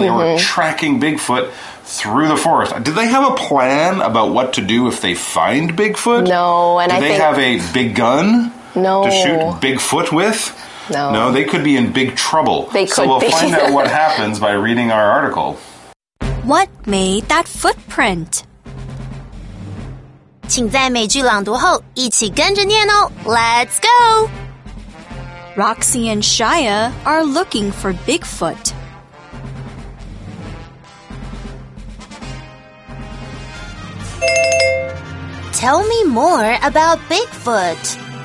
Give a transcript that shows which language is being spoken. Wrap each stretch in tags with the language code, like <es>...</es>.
<en>They were tracking Bigfoot through the forest. Did they have a plan about what to do if they find Bigfoot? No. Do they have a big gun to shoot Bigfoot with? No. No, they could be in big trouble. They could be. So we'll find out what happens by reading our article. What made that footprint?</en> <zh>请在每句朗读后一起跟着念哦。</zh> <en>Let's go! Roxy and Shia are looking for Bigfoot. Tell me more about Bigfoot.</en>